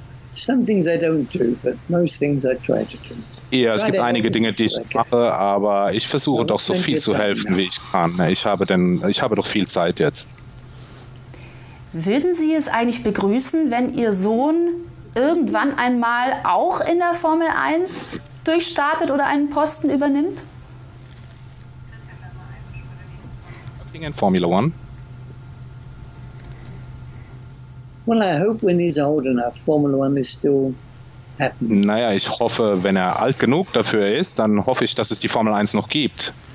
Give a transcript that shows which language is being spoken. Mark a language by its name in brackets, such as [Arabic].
[English] Some things I don't do, but most things I try to do. [German] Ja, es gibt einige Dinge, die ich mache, aber ich versuche doch so viel zu helfen, wie ich kann. Ich habe doch viel Zeit jetzt. Würden Sie es eigentlich begrüßen, wenn Ihr Sohn irgendwann einmal auch in der Formel 1 durchstartet oder einen Posten übernimmt? [English] Working in Formula One. Well, I hope when he's old enough, Formula One is still... [German] Naja, ich hoffe, wenn er alt genug dafür ist, dann hoffe ich, dass es die Formel 1 noch gibt.